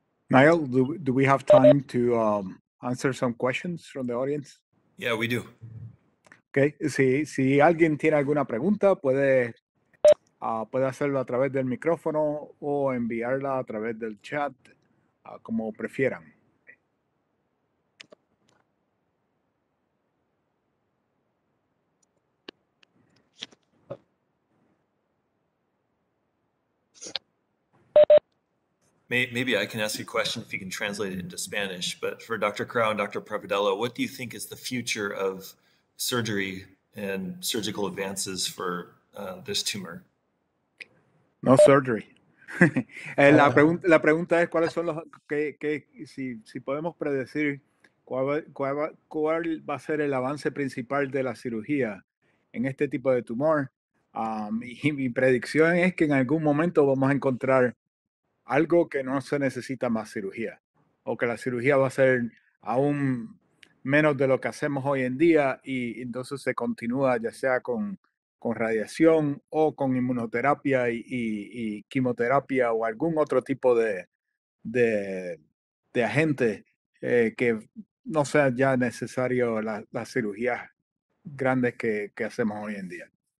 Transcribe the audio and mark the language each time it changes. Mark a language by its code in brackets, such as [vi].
[en] Niall, do we have time to answer some questions from the audience? Yeah, we do. [es] Okay. Si alguien tiene alguna pregunta, puede Puede hacerlo a través del micrófono o enviarla a través del chat, como prefieran. [en] Maybe I can ask you a question if you can translate it into Spanish, but for Dr. Crow and Dr. Prevedello, what do you think is the future of surgery and surgical advances for this tumor? No surgery. [es] la pregunta es cuáles son los que si podemos predecir cuál va a ser el avance principal de la cirugía en este tipo de tumor. Mi predicción es que en algún momento vamos a encontrar algo que no se necesita más cirugía, o que la cirugía va a ser aún menos de lo que hacemos hoy en día, y entonces se continúa ya sea con radiación o con inmunoterapia y quimioterapia o algún otro tipo de agente que no sea ya necesario las cirugías grandes que hacemos hoy en día.